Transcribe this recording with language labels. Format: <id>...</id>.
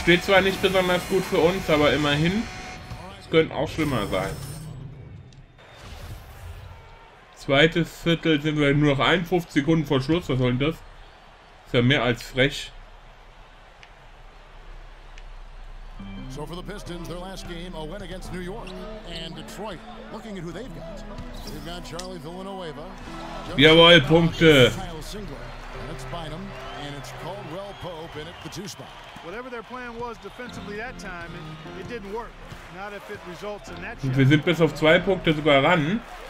<de>Steht zwar nicht besonders gut für uns, aber immerhin, es könnte auch schlimmer sein. Zweites Viertel sind wir nur noch 51 Sekunden vor Schluss, was soll denn das? Ist ja mehr als frech.</de> <en>So for the Pistons, their last game, a win against New York and Detroit. Looking at who they've got. They've got Charlie Villanueva.</en> <de>Jawohl, Punkte.</de> <en>That's Bynum, and it's Caldwell Pope in at the two spot. Whatever their plan was defensively that time, it didn't work. Not if it results in that.</en> <de>Und wir sind bis auf zwei Punkte sogar ran.</de>